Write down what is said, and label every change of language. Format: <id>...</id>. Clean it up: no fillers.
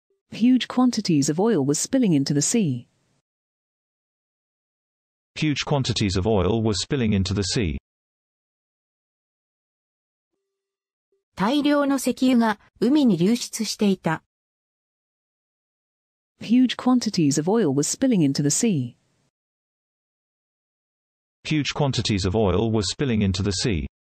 <en>Huge quantities of oil were spilling into the sea. Huge quantities of oil were spilling into the sea.</en> <ja>大量の石油が海に流出していた。</ja> <en>Huge quantities of oil were spilling into the sea. Huge quantities of oil were spilling into the sea.</en>